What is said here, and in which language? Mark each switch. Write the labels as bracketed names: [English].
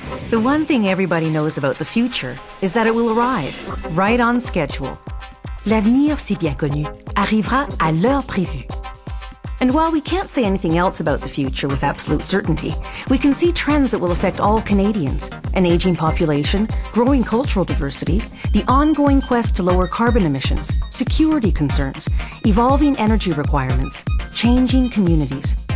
[English] The one thing everybody knows about the future is that it will arrive right on schedule. [French] L'avenir, si bien connu, arrivera à l'heure prévue. [English] And while we can't say anything else about the future with absolute certainty, we can see trends that will affect all Canadians: an aging population, growing cultural diversity, the ongoing quest to lower carbon emissions, security concerns, evolving energy requirements, changing communities.